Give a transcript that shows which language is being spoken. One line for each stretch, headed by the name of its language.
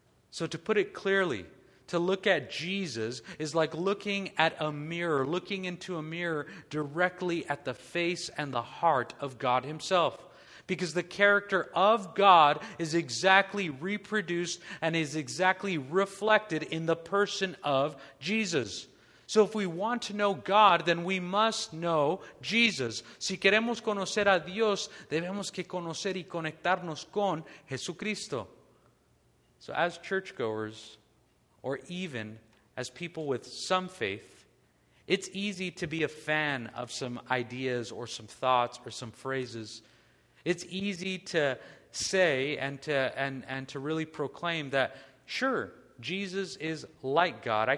English: So to put it clearly, to look at Jesus is like looking at a mirror, looking into a mirror directly at the face and the heart of God himself. Because the character of God is exactly reproduced and is exactly reflected in the person of Jesus. So if we want to know God, then we must know Jesus.
Spanish: Si queremos conocer a Dios, debemos que conocer y conectarnos con Jesucristo.
English: So as churchgoers, or even as people with some faith, it's easy to be a fan of some ideas or some thoughts or some phrases. It's easy to say and to really proclaim that, sure, Jesus is like God.